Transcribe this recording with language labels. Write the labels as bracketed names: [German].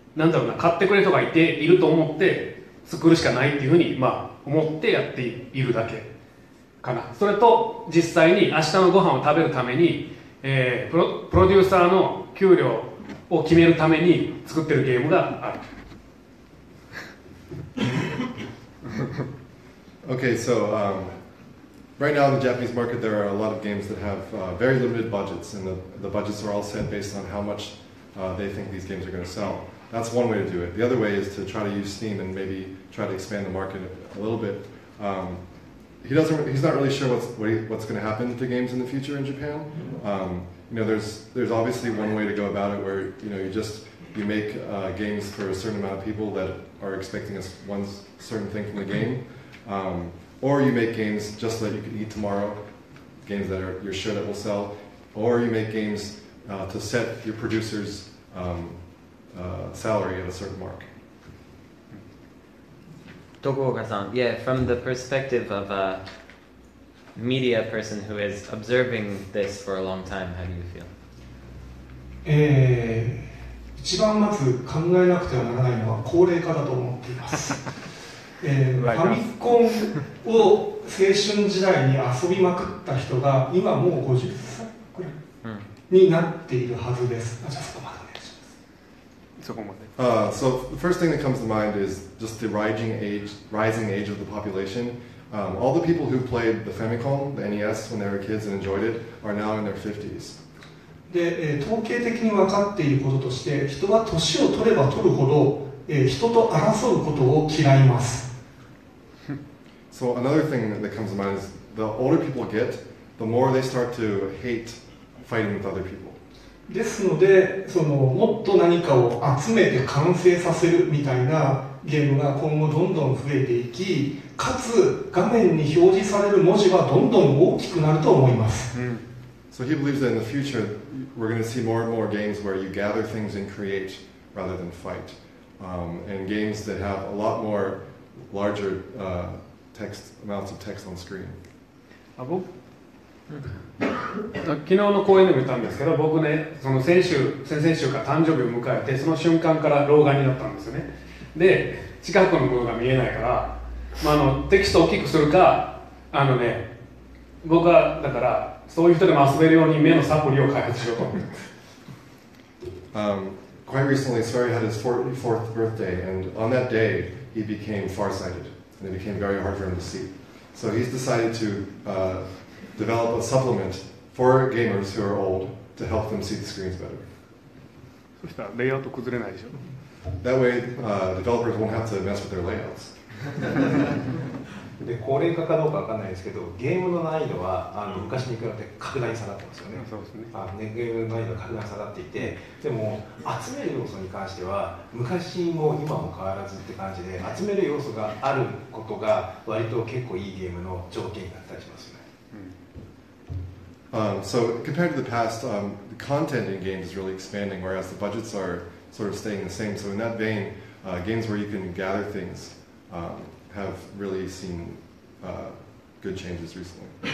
[Japanese] だろうな、買ってくれとか言っていると思って作るしかないっていうふうに、まあ、 思ってやっているだけかな。それと実際に明日のご飯を食べるために、プロデューサーの給料を決めるために作ってるゲームがある。 [English] Okay, so right now in the Japanese market there are a lot of games that have very limited budgets, and the budgets are all set based on how much they think these games are going to sell. That's one way to do it. The other way is to try to use Steam and maybe try to expand the market a little bit. He's not really sure what's going to happen to games in the future in Japan. There's obviously one way to go about it where you make games for a certain amount of people that are expecting one certain thing from the game, or you make games just that you can eat tomorrow, games that you're sure that will sell, or you make games to set your producer's salary at a certain mark. Tokoka-san, yeah, from the perspective of a media person who is observing this for a long time, how do you feel? [Japanese] 一番まず考えなくてはならないのは高齢化だと思っています。ファミコンを青春時代に遊びまくった人が今もう50歳くらいになっているはずです。じゃあそこまでお願いします。そこまで。 [English] So the first thing that comes to mind is just the rising age of the population. All the people who played the Famicom, the NES, when they were kids and enjoyed it, are now in their 50s. [Japanese] で、統計的に分かっていることとして、人は年を取れば取るほど、人と争うことを嫌います。 [English] So another thing that comes to mind is the older people get, the more they start to hate fighting with other people. [Japanese] ですのでそのもっと何かを集めて完成させるみたいなゲームが今後どんどん増えていきかつ画面に表示される文字はどんどん大きくなると思います、 [English] So he believes that in the future we're going to see more and more games where you gather things and create rather than fight、and games that have a lot more larger、text, amounts of text on screen [Japanese] あぼ昨日の講演でも言ったんですけど僕ねその先週先々週か誕生日を迎えてその瞬間から老眼になったんですよねで近くのものが見えないから、まあ、あのテキストを大きくするかあのね僕はだからそういう人でも遊べるように目のサプリを開発しようと思って [English] Quite recently SWERY had his 44th birthday and on that day he became farsighted and it became very hard for him to see so he's decided to、develop a supplement for gamers who are old to help them see the screens better. [Japanese] そしたらレイアウト崩れないでしょ? [English] That way, developers won't have to mess with their layouts. [Japanese] で、高齢化かどうかわかんないですけど、ゲームの難易度はあの昔に比べて格段に下がってますよね。そうですね。ゲームの難易度は格段に下がっていて、でも集める要素に関しては昔も今も変わらずって感じで、集める要素があることが割と結構いいゲームの条件になったりしますよね。 [English] So compared to the past, the content in games is really expanding, whereas the budgets are sort of staying the same. So in that vein, games where you can gather things have really seen good changes recently.